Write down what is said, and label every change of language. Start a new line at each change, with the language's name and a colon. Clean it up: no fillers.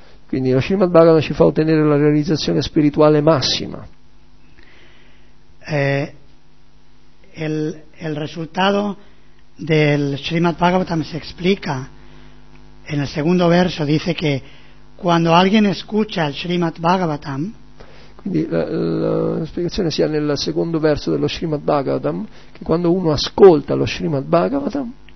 Italian: Quindi lo Srimad Bhagavatam ci fa ottenere la realizzazione spirituale massima.
Spanish: El resultado del Srimad Bhagavatam se explica en el segundo verso, dice que cuando alguien escucha el Srimad Bhagavatam.
Italian: Quindi la spiegazione sia nel secondo verso dello Srimad Bhagavatam, che quando uno ascolta lo Srimad Bhagavatam